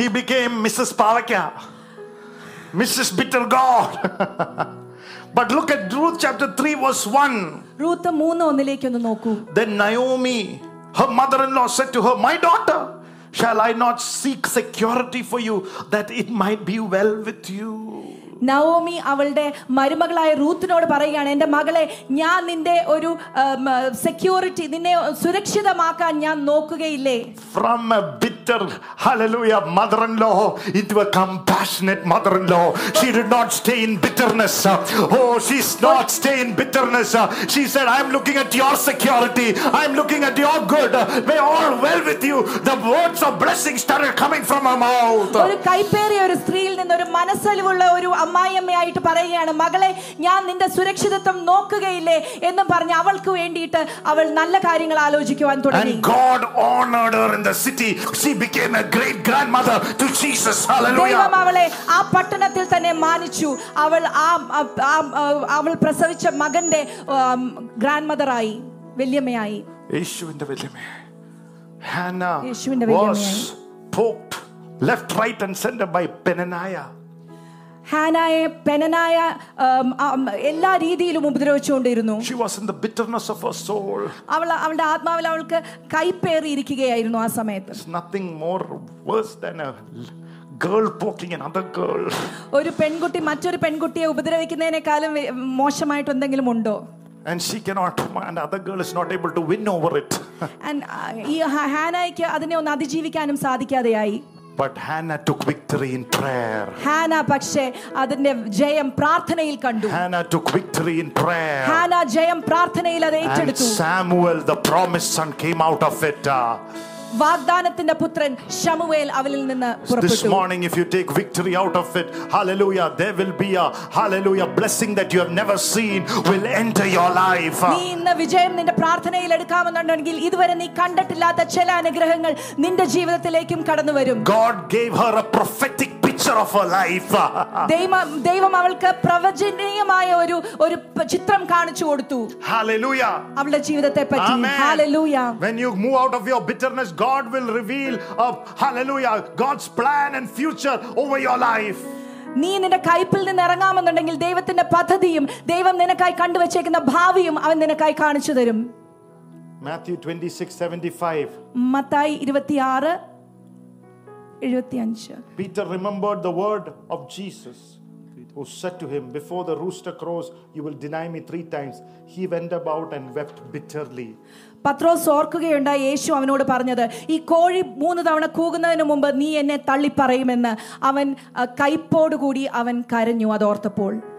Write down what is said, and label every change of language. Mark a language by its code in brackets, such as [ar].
[en] She became Mrs. Pavakya, Mrs. Bitter God. But look at Ruth chapter 3 verse 1. [ml] Ruth 3:1-ലേക്ക് ഒന്ന് നോക്കൂ. [en] Then Naomi, her mother-in-law, said to her, my daughter, shall I not seek security for you that it might be well with you? [ml] Naomi അവളുടെ മരുമകളായ റൂത്തിനോട് പറയുകയാണ്, എൻ്റെ മകളെ, ഞാൻ നിന്റെ ഒരു security, നിന്നെ സുരക്ഷിതമാക്കാൻ ഞാൻ നോക്കുകയില്ലേ? [en] From a bitter, hallelujah, mother-in-law into a compassionate mother-in-law. She did not stay in bitterness. Oh, she's not stay in bitterness. She said, I'm looking at your security, I'm looking at your good, may all well with you. The words of blessing started coming from her mouth. [ml] ഒരു കൈപ്പേറിയ ഒരു സ്ത്രീയിൽ നിന്ന് ഒരു മനസ്സലിവുള്ള ഒരു അമ്മായിയമ്മയായിട്ട് പറയുകയാണ്, മകളെ, ഞാൻ നിന്റെ സുരക്ഷിതത്വം നോക്കുകയില്ലേ എന്ന് പറഞ്ഞ് അവൾക്ക് വേണ്ടിയിട്ട് അവൾ നല്ല കാര്യങ്ങൾ ആലോചിക്കുവാൻ തുടങ്ങി. [en] And God honored her in the city. She became a great grandmother to Jesus. Hallelujah. [ml] ദൈവം അവളെ ആ പട്ടണത്തിൽ തന്നെ മാനിച്ചു. അവൾ ആ അവൾ പ്രസവിച്ച മകന്റെ ഗ്രാൻഡ്മദർ ആയി, വല്യമ്മയായി. യേശുവിന്റെ വല്യമ്മ. ഹന്നാ യേശുവിന്റെ വല്യമ്മ. [en] Poked left, right and center by Penaniah. [ml] ഹാനായെ പെനനായ എല്ലാ രീതിയിലും ഉപദ്രവിച്ചുകൊണ്ടിരുന്നു. [en] She was in the bitterness of her soul. [ml] അവൾ അവളുടെ ആത്മാവിൽ അവൾക്ക് കൈപ്പേറിയിരിക്കുകയായിരുന്നു ആ സമയത്ത്. [en] There's nothing more worse than a girl poking another girl. [ml] ഒരു പെൺകുട്ടി മറ്റൊരു പെൺകുട്ടിയെ ഉപദ്രവിക്കുന്നതിനേക്കാളും മോശമായിട്ട് എന്തെങ്കിലും ഉണ്ടോ? [en] And she cannot, and the other girl is not able to win over it. [ml] And Hannah adine on adijeevikkanum sadhikkadeyayi. [en] But Hannah took victory in prayer. [ml] Hannah pakshe adine jayam prarthanayil kandu. [en] Hannah took victory in prayer. [ml] Hannah jayam prarthanayil ad etteduthu. [en] And Samuel, the promised son, came out of it. [ml] വാഗ്ദാനത്തിന്റെ പുത്രൻ ശമുവേൽ അവളിൽ നിന്ന് പുറപ്പെട്ടു. [en] This morning if you take victory out of it, hallelujah, there will be a hallelujah blessing that you have never seen will enter your life. [ml] നീ ഇന്ന് വിജയം നിന്റെ പ്രാർത്ഥനയിൽ എടുക്കാമെന്നുണ്ടെങ്കിൽ ഇതുവരെ നീ കണ്ടിട്ടില്ലാത്ത ചില അനുഗ്രഹങ്ങൾ നിന്റെ ജീവിതത്തിലേക്കും കടന്നുവരും. [en] God gave her a prophetic picture of her life. [ml] ദൈവം അവൾക്ക് പ്രവചനീയമായ ഒരു ഒരു ചിത്രം കാണിച്ചു കൊടുത്തു. [en] Hallelujah. [ml] അവളുടെ ജീവിതത്തെ പറ്റി. [en] Amen. Hallelujah. When you move out of your bitterness, God will reveal of hallelujah God's plan and future over your life. [ml] നീ നിന്റെ കൈപ്പിൽ നിന്ന് ഇറങ്ങാമെന്നുണ്ടെങ്കിൽ ദൈവത്തിന്റെ പദ്ധതിയും ദൈവം നിനക്കായി കണ്ടുവെച്ചേക്കുന്ന ഭാവിയും അവൻ നിനക്കായി കാണിച്ചു തരും. [en] Matthew 26:75. [ml] Mathai 26:75. [en] Peter remembered the word of Jesus who said to him, before the rooster crows you will deny me 3 times. He went about and wept bitterly. [ml] പത്രോസ് ഓർക്കുകയുണ്ടായി യേശു അവനോട് പറഞ്ഞത്, ഈ കോഴി 3 തവണ കൂകുന്നതിന് മുമ്പ് നീ എന്നെ തള്ളിപ്പറയുമെന്ന്. അവൻ കൈപ്പോടുകൂടി അവൻ കരഞ്ഞു അതോർത്തപ്പോൾ.